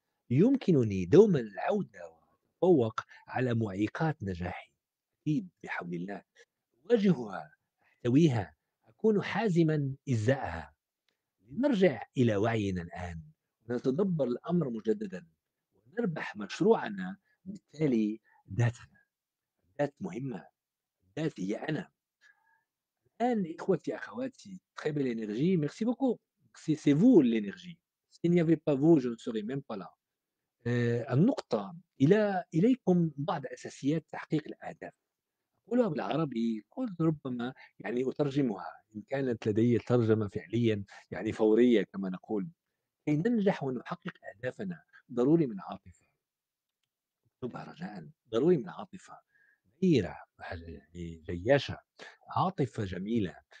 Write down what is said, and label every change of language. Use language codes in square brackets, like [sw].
[ar] يمكنني دوما العودة وتفوق على معيقات نجاحي، أكيد بحول الله، واجهها، أحتويها، أكون حازما إزاءها. نرجع إلى وعينا الآن، نتدبر الأمر مجددا، ونربح مشروعنا بالتالي ذاتنا. ذات مهمة، ذات هي أنا. الآن إخوتي أخواتي، [fr] très belle énergie، merci beaucoup. C'est vous l'énergie. S'il n'y avait pas vous, je ne serais même pas là. [ar] النقطة إليكم بعض أساسيات تحقيق الأهداف. أقولها بالعربي، قلت ربما يعني أترجمها إن كانت لدي ترجمة فعليا يعني فورية كما نقول. كي ننجح ونحقق أهدافنا ضروري من عاطفة، اكتبها رجاء، ضروري من عاطفة غيرة جياشة، عاطفة جميلة.